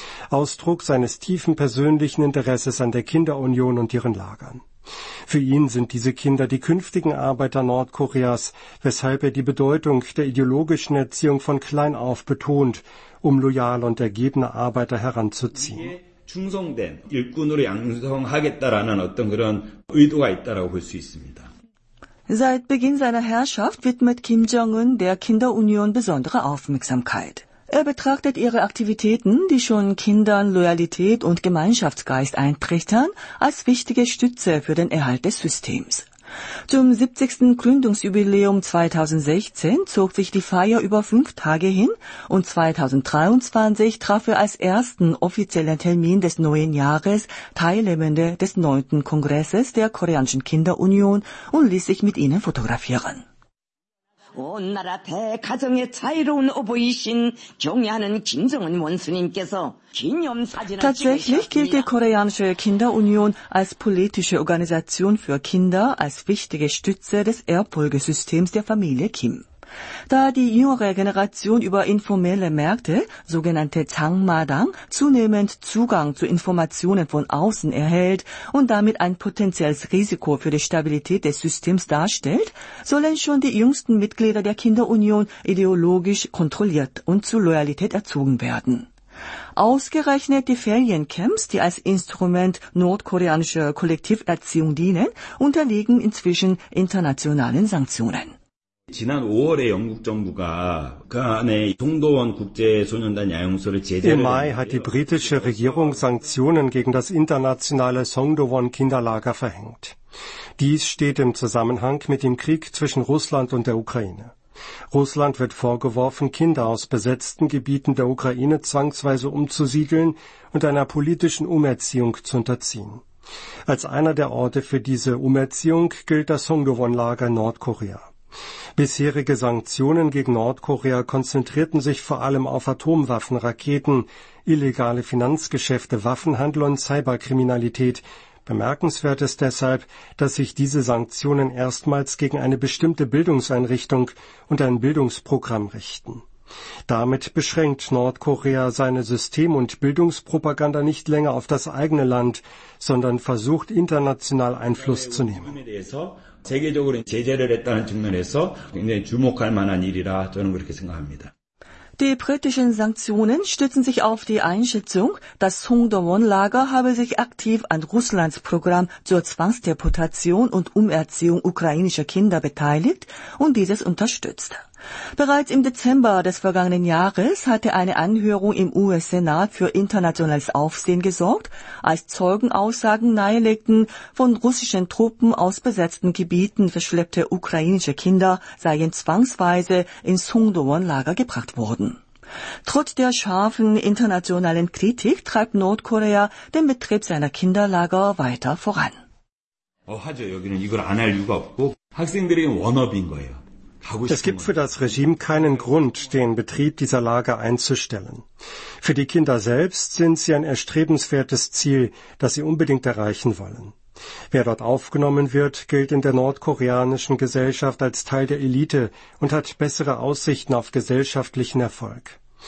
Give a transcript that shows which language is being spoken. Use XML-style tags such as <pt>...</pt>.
<de>Ausdruck seines tiefen persönlichen Interesses an der Kinderunion und ihren Lagern. Für ihn sind diese Kinder die künftigen Arbeiter Nordkoreas, weshalb er die Bedeutung der ideologischen Erziehung von klein auf betont, um loyale und ergebene Arbeiter heranzuziehen.</de> <ko>충성된 일꾼으로 양성하겠다라는 어떤 그런 의도가 있다라고 볼 수 있습니다.</ko> <de>Seit Beginn seiner Herrschaft widmet Kim Jong-un der Kinderunion besondere Aufmerksamkeit. Er betrachtet ihre Aktivitäten, die schon Kindern Loyalität und Gemeinschaftsgeist eintrichtern, als wichtige Stütze für den Erhalt des Systems. Zum 70. Gründungsjubiläum 2016 zog sich die Feier über 5 Tage hin und 2023 traf er als ersten offiziellen Termin des neuen Jahres Teilnehmende des 9. Kongresses der Koreanischen Kinderunion und ließ sich mit ihnen fotografieren.</de> <ko>온 나라 대가정의 자유로운 어버이신 경애하는 김정은 원수님께서</ko> <de>Tatsächlich gilt die Koreanische Kinderunion als politische Organisation für Kinder als wichtige Stütze des Erbfolgesystems der Familie Kim. Da die jüngere Generation über informelle Märkte, sogenannte Zhangmadang, zunehmend Zugang zu Informationen von außen erhält und damit ein potenzielles Risiko für die Stabilität des Systems darstellt, sollen schon die jüngsten Mitglieder der Kinderunion ideologisch kontrolliert und zur Loyalität erzogen werden. Ausgerechnet die Feriencamps, die als Instrument nordkoreanischer Kollektiverziehung dienen, unterliegen inzwischen internationalen Sanktionen.</de> <ko>지난 5월에 영국 정부가 그 안에 동도원 국제 소년단 야영소를 제재를</ko> <de>Im Mai hat die britische Regierung Sanktionen gegen das internationale Songdo-won Kinderlager verhängt. Dies steht im Zusammenhang mit dem Krieg zwischen Russland und der Ukraine. Russland wird vorgeworfen, Kinder aus besetzten Gebieten der Ukraine zwangsweise umzusiedeln und einer politischen Umerziehung zu unterziehen. Als einer der Orte für diese Umerziehung gilt das Songdo-won-Lager Nordkorea. Bisherige Sanktionen gegen Nordkorea konzentrierten sich vor allem auf Atomwaffenraketen, illegale Finanzgeschäfte, Waffenhandel und Cyberkriminalität. Bemerkenswert ist deshalb, dass sich diese Sanktionen erstmals gegen eine bestimmte Bildungseinrichtung und ein Bildungsprogramm richten. Damit beschränkt Nordkorea seine System- und Bildungspropaganda nicht länger auf das eigene Land, sondern versucht, international Einfluss zu nehmen.</de> <ko>세계적으로 제재를 했다는 측면에서 굉장히 주목할 만한 일이라 저는 그렇게 생각합니다.</ko> <de>Die britischen Sanktionen stützen sich auf die Einschätzung, dass Songdo-won-Lager habe sich aktiv an Russlands Programm zur Zwangsdeportation und Umerziehung ukrainischer Kinder beteiligt und dieses unterstützt. Bereits im Dezember des vergangenen Jahres hatte eine Anhörung im US-Senat für internationales Aufsehen gesorgt, als Zeugenaussagen nahelegten, von russischen Truppen aus besetzten Gebieten verschleppte ukrainische Kinder seien zwangsweise ins Songdo-won-Lager gebracht worden. Trotz der scharfen internationalen Kritik treibt Nordkorea den Betrieb seiner Kinderlager weiter voran.</de> <en>Oh,</en> <ko>하죠. 여기는 이걸 안 할 이유가 없고 학생들이 원업인 거예요.</ko> <de>Es gibt für das Regime keinen Grund, den Betrieb dieser Lager einzustellen. Für die Kinder selbst sind sie ein erstrebenswertes Ziel, das sie unbedingt erreichen wollen. Wer dort aufgenommen wird, gilt in der nordkoreanischen Gesellschaft als Teil der Elite und hat bessere Aussichten auf gesellschaftlichen Erfolg.</de>